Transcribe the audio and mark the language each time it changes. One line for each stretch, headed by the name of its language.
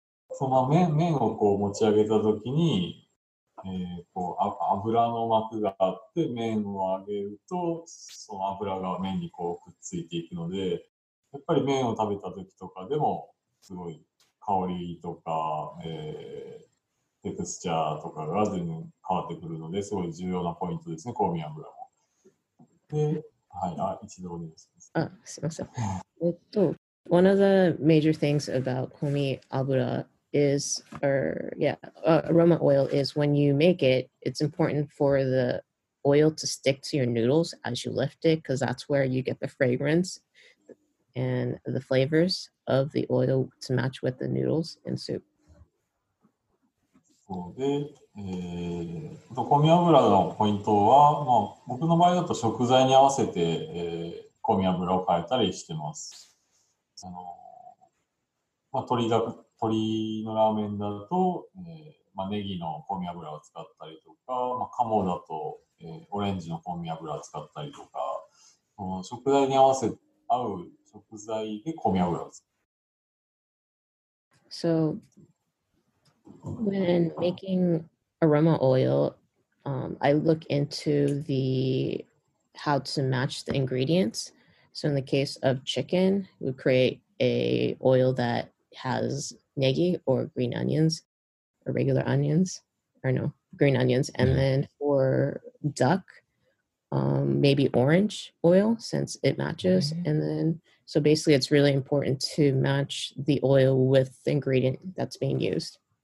Japanese: その麺をこう持ち上げた時に、こう油の膜があって麺を上げるとその油が麺にこうくっついていくのでやっぱり麺を食べた時とかでもすごい香りとか、テクスチャーとかが全然変わってくるのですごい重要なポイントですね香味油もで、はい、あ一度お願いします。あ、すいません。
English: One of the major things about 香味油is, or aroma oil is when you make it, it's important for the oil to stick to your noodles as you lift it, because that's where you get the fragrance and the flavors of the oil to match with the noodles and soup.
Japanese: So, the komi abura の point は、まあ、僕の場合だと食材に合わせて、komi abura を変えたりしてます。あの、まあ、鶏のラーメンだと、まあ、ネギの香味油を使ったりとか、まあ、鴨だと、オレンジの香味油を使ったりとか、食材に合わせ合う食材で香味油を使う。
English: So, when making aroma oil, I look into the how to match the ingredients. So in the case of chicken, we create a oil that has negi or green onions or regular onions or no green onions and then for duck maybe orange oil since it matches and then so basically it's really important to match the oil with the ingredient that's being used.